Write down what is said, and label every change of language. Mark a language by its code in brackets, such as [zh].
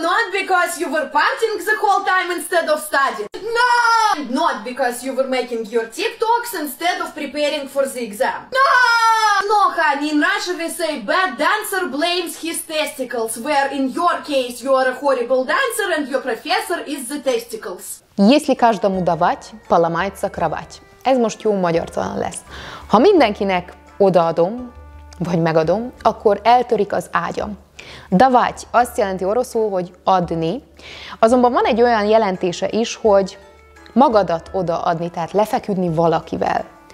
[en] Because you were partying the whole time instead of studying. No! Not because you were making your TikToks instead of preparing for the exam. No! No, honey, in Russia we say bad dancer blames his testicles, where in your case you are a horrible dancer and your professor is the testicles. [ru] Если каждому давать, поломается кровать. [hu] Ez most jó magyartalan lesz. Ha mindenkinek odaadom, vagy megadom, akkor eltörik az ágyam. Davágy azt jelenti oroszul, hogy adni, azonban van egy olyan jelentése is, hogy magadat odaadni, tehát lefeküdni valakivel.